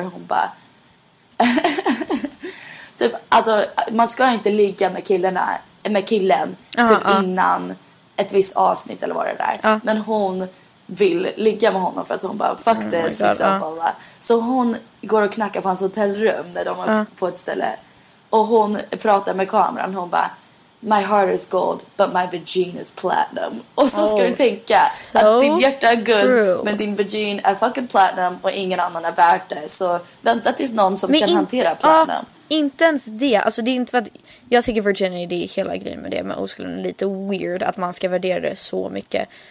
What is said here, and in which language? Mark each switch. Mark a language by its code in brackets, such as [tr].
[sv] Hon bara, typ, alltså, man ska inte ligga med killarna, med killen, innan ett visst avsnitt eller vad det där. Men hon vill ligga med honom för att hon bara, [en] fuck this, [sv] liksom. Så hon går och knackar på hans hotellrum när de är på ett ställe. Och hon pratar med kameran. Hon bara, [en] my heart is gold, but my vagina is platinum. [sv] Och så ska du tänka att din hjärta är guld, men din vagina är fucking platinum och ingen annan är värt det. Så vänta tills någon som kan hantera platinum. Inte ens det. Alltså, det är inte vad, jag tycker virginity, hela grejen med det med oskulden är lite weird att man ska värdera det så mycket.